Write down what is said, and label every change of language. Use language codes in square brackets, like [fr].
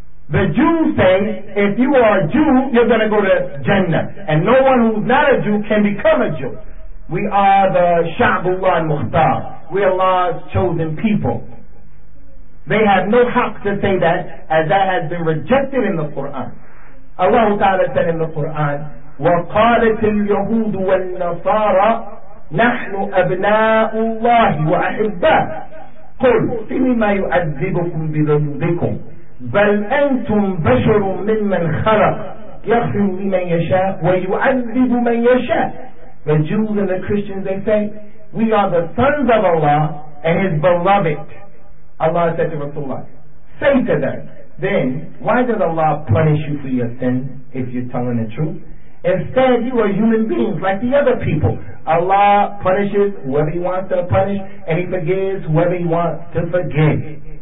[en] The Jews say, if you are a Jew, you're going to go to Jannah. And no one who's not a Jew can become a Jew. We are the [ar] Sha'bullah al-Mukhtar. [en] We are Allah's chosen people. They have no haq to say that, as that has been rejected in the Quran. [ar] Allah Ta'ala said in the Quran, وَقَالَتِ الْيَهُودُ وَالنَّصَارَى نَحْنُ أَبْنَاءُ اللَّهِ وَأَحِبَّاهُ قُلْ فِيمَا يُعَذِّبُكُمْ بِذُنُوبِكُمْ بَلْ أَنْتُمْ بَشَرٌ مِّمَّنْ خَلَقَ يَغْفِرُ لِمَن يَشَاءُ وَيُعَذِّبُ مَن يَشَاءُ. [en] The Jews and the Christians, they say, we are the sons of Allah and His beloved. Allah said to Rasulullah, say to them, then why does Allah punish you for your sin if you're telling the truth? Instead, you are human beings like the other people. Allah punishes whoever He wants to punish, and He forgives whoever He wants to forgive.